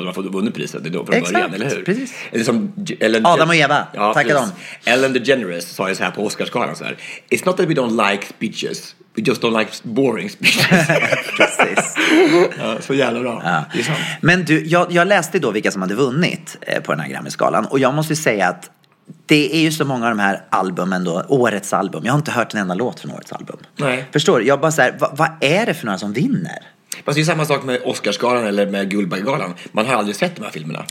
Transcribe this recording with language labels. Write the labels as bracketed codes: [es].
[sv] Man får vunnit priset då från början, eller hur? Exakt, precis. Eller som Ellen Adam och Eva. Ja, tacka dem. Ellen DeGeneres sa ju så här på Oscarsgalan så här. [en] It's not that we don't like speeches. We just don't like boring speeches. [sv] Precis. Ja, så jävla bra. Ja. Men du, jag läste då vilka som hade vunnit på den här Grammy-skalan. Och jag måste ju säga att det är ju så många av de här albumen då, årets album. Jag har inte hört en enda låt från årets album. Nej. Förstår du? Jag bara så här, vad är det för några som vinner? Fast det är samma sak med Oscarsgalan eller med Guldbaggegalan. Man har aldrig sett de här filmerna.